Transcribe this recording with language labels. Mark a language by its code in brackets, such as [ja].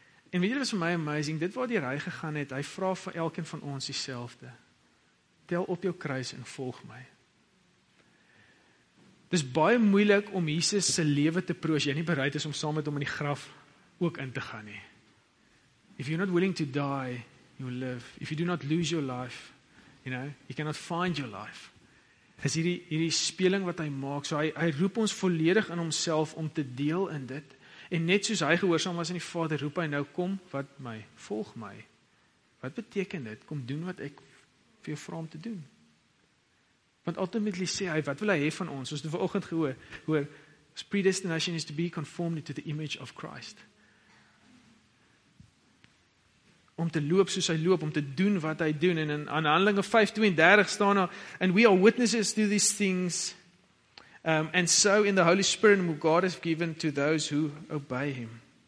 [af] En weet jy, dit is vir my amazing, dit wat hier hy gegaan het, hy vra vir elkeen van ons dieselfde. Tel op jou kruis en volg my. Dit is baie moeilik om Jesus se lewe te proos, jy nie bereid is om saam met hom in die graf ook in te gaan nie. [en] If you're not willing to die, you will live. If you do not lose your life, you know, you cannot find your life. [af] Dit is hierdie speling wat hy maak, so hy roep ons volledig in homself om te deel in dit, en net soos hy gehoorsaam was aan die Vader, roep hy nou, kom wat my, volg my. Wat beteken dit? Kom doen wat ek vir jou vra om te doen. Want ultimately sê hy, wat wil hy hê van ons? Ons het vanoggend gehoor, [en] predestination is to be conformed to the image of Christ. [af] Om te loop soos hy loop, om te doen wat hy doen. En in Handelinge 5:32 staan daar, [en] and we are witnesses to these things, and so in the Holy Spirit whom God has given to those who obey him.